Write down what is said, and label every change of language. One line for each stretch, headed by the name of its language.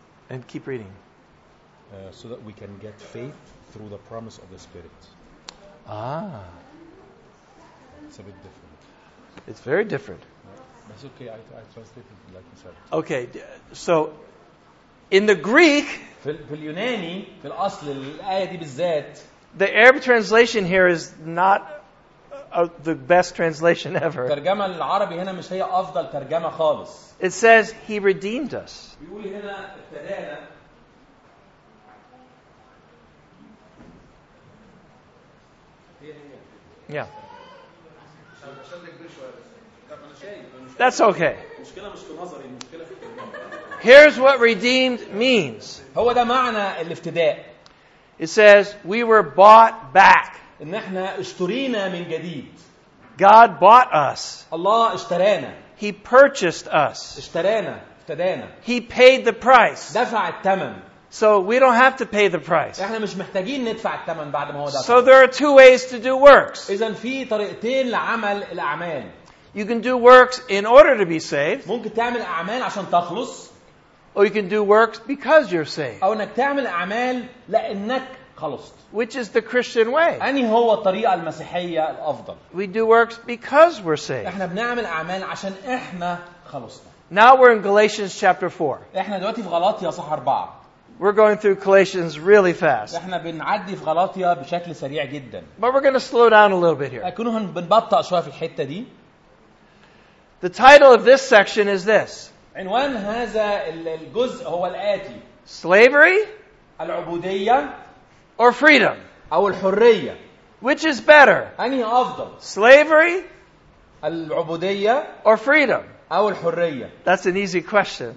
English: And keep reading. So that we can get faith through the promise of the Spirit. Ah. It's a bit different. It's very different. Yeah. That's okay. I translated like you said. Okay. So. In the Greek,
Arabic: في اليوناني في الأصل الآية دي بالذات,
English: the Arab translation here is not the best translation ever.
Arabic: الترجمة العربي هنا مش هي أفضل ترجمة خالص.
English: It says he redeemed us.
Arabic: بيقول هنا افتدانا.
English: Yeah. That's okay. Here's what redeemed means.
Arabic: هو ده معنى الافتداء.
English: It says we were bought back.
Arabic: إن إحنا اشترينا من جديد.
English: God bought us.
Arabic: الله اشترانا.
English: He purchased us.
Arabic: اشترانا. افتدانا.
English: He paid the price.
Arabic: دفع الثمن.
English: So we don't have to pay the price.
Arabic: إحنا مش محتاجين ندفع الثمن بعد ما هو دفع.
English: So there are two ways to do works.
Arabic: إذن في طريقتين لعمل الأعمال.
English: You can do works in order to be saved.
Arabic: ممكن تعمل أعمال عشان تخلص.
English: Or you can do works because you're saved.
Arabic: أو إنك تعمل أعمال لأنك خلصت.
English: Which is the Christian way?
Arabic: أني هو الطريقة المسيحية الأفضل.
English: We do works because we're saved.
Arabic: إحنا بنعمل أعمال عشان إحنا خلصنا.
English: Now we're in Galatians chapter 4.
Arabic: إحنا دلوقتي في غلاطية صح 4.
English: We're going through Galatians really fast.
Arabic: إحنا بنعدي في غلاطية بشكل سريع جدا.
English: But we're going to slow down a little bit here.
Arabic: أكون بنبطأ شوية في الحتة دي.
English: The title of this section is this.
Arabic: عنوان هذا الجزء هو الآتي.
English: Slavery,
Arabic: العبودية,
English: or freedom,
Arabic: أو الحرية.
English: Which is better?
Arabic: أني أفضل.
English: Slavery,
Arabic: العبودية,
English: or freedom,
Arabic: أو الحرية.
English: That's an easy question.